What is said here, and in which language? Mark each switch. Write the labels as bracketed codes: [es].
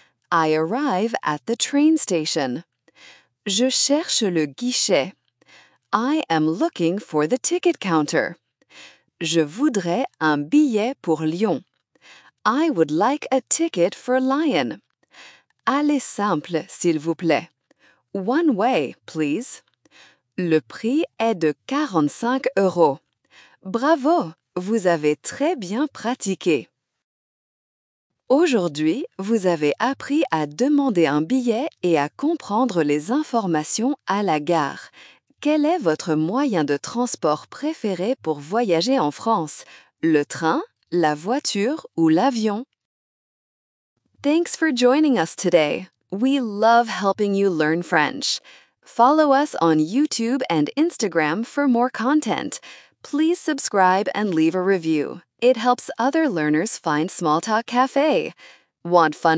[en] I arrive at the train station. [fr] Je cherche le guichet. [en] I am looking for the ticket counter. [fr] Je voudrais un billet pour Lyon. [en] I would like a ticket for Lyon. [fr] Allez simple, s'il vous plaît. [en] One way, please. [fr] Le prix est de 45 euros. Bravo! Vous avez très bien pratiqué. Aujourd'hui, vous avez appris à demander un billet et à comprendre les informations à la gare. Quel est votre moyen de transport préféré pour voyager en France? Le train, la voiture ou l'avion? [en] Thanks for joining us today. We love helping you learn French. Follow us on YouTube and Instagram for more content. Please subscribe and leave a review. It helps other learners find Smalltalk Cafe. Want fun merch? Visit smalltalk.shop.